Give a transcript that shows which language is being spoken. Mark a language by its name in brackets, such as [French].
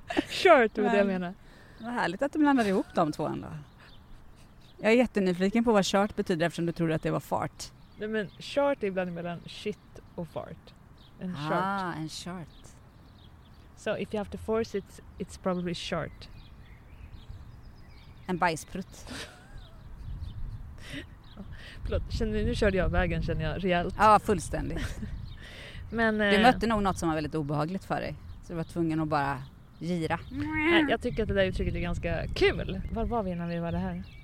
[Swedish] Short vad jag menar. Vad härligt att du blandade ihop de två ändå. Jag är jättenyfiken på vad short betyder eftersom du trodde att det var fart. Nej, men short är ibland mellan shit och fart. En short. [English] So if you have to force it, it's probably short. [Swedish] En bajsprutt. Förlåt, nu körde jag vägen, känner jag, rejält. Ja, fullständigt. Men, du mötte nog något som var väldigt obehagligt för dig. Så du var tvungen att bara gira. Jag tycker att det där uttrycket är ganska kul. Var var vi när vi var det här?